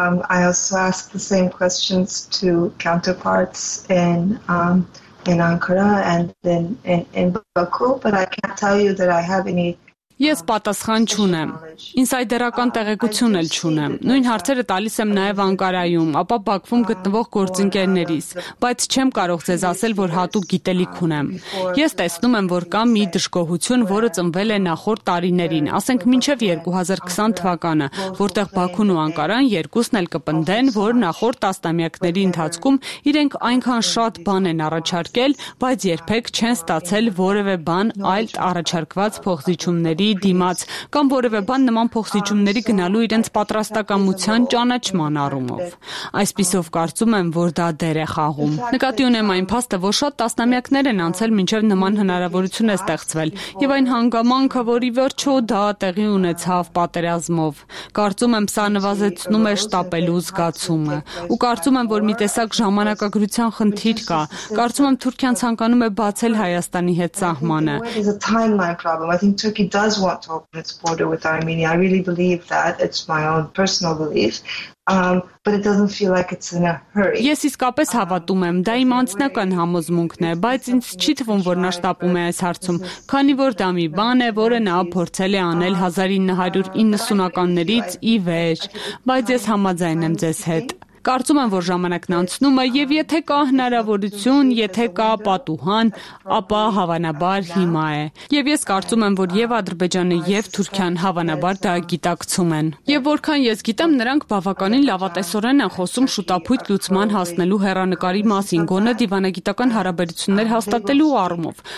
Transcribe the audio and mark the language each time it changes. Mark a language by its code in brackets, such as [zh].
[en] I also ask the same questions to counterparts in Ankara and then in Baku, but I can't tell you that I have any. [hy] Ես պատասխան չունեմ, ինսայդերական տեղեկություն էլ չունեմ, նույն հարցերը տալիս եմ նաև Անկարայում, ապա Բաքվում գտնվող գործընկերներիս, բայց չեմ կարող ձեզ ասել, որ հատուկ գիտելիք ունեմ։ Ես տեսնում եմ, որ կա մի դժգոհություն, որը ծնվել է նախորդ տարիներին, ասենք մինչև 2020 թվականը, որտեղ Բաքուն ու Անկարան երկուսն էլ կպնդեն, որ նախորդ տասնամյակների ընթացքում իրենք այնքան շատ բան են առաջարկել, բայց երբեք չեն ստացել որևէ բան այլ առաջարկված փոխզիջումների դիմաց, կամ որևէ բան նման փոխզիջումների գնալու իրենց պատրաստակամության ճանաչման առումով։ Այսպիսով կարծում եմ, որ դա դեր է խաղում։ Նկատի ունեմ այն փաստը, որ շատ տասնամյակներ են անցել, մինչև նման հնարավորություն է ստեղծվել, և այն հանգամանքը, որի վերջո դա տեղի ունեցավ պատերազմով։ Կարծում եմ, սա նվազեցնում է շտապելու զգացումը, ու կարծում եմ, որ մի տեսակ ժամանակագրության խնդիր կա։ Կարծում եմ, Թուրքիան ցանկանում է բացել Հայաստանի հետ սահմանը։ [en] He does want to open its border with Armenia. I really believe that. It's my own personal belief. But it doesn't feel like it's in a hurry. [hy] Ես իսկապես հավատում եմ, դա իմ անձնական համոզմունքն է, բայց ինձ չի թվում, որ նա շտապում է այս հարցում, քանի որ դա մի բան է, որը նա փորձել է անել 1990-ականներից ի վեր, բայց ես համաձայն եմ ձեզ հետ։ Կարծում եմ, որ ժամանակն անցնում է, եւ եթե կա հնարավորություն, եթե կա պատուհան, ապա հավանաբար հիմա է։ Եվ ես կարծում եմ, որ եւ Ադրբեջանը, եւ Թուրքիան հավանաբար դա գիտակցում են։ Եվ որքան ես գիտեմ, նրանք բավականին լավատեսորեն են խոսում շուտափույթ լուծման հասնելու հեռանկարի մասին, գոնե դիվանագիտական հարաբերություններ հաստատելու առումով,